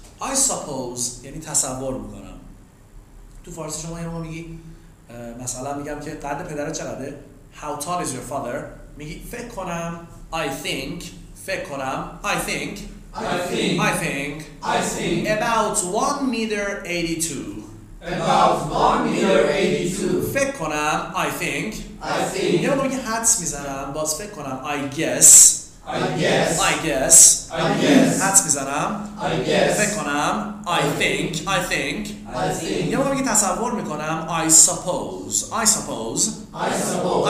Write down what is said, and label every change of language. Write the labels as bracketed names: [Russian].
[Persian] I suppose یعنی تصور میکنم. تو فارسی شما یه ما میگی مثلا میگم که قد پدرت چقدره؟ [English] How tall is your father؟ [Persian] میگی فکر کنم [English] I think. [Persian] فکر کنم [English] I think. I think. I think. I think. About 1.82 meters. About 1.82 meters. [Persian] فکر کنم [English] I think. I think. [Persian] یه ما میگی حدس میزنم باز فکر کنم [English] I guess. I guess. I guess. I guess. [Persian] حدس میزنم. [English] I guess. [Persian] فکر کنم. [English] I think. I think. I think. [Persian] یه بار میگی تصور میکنم. [English] I suppose. I suppose. I suppose.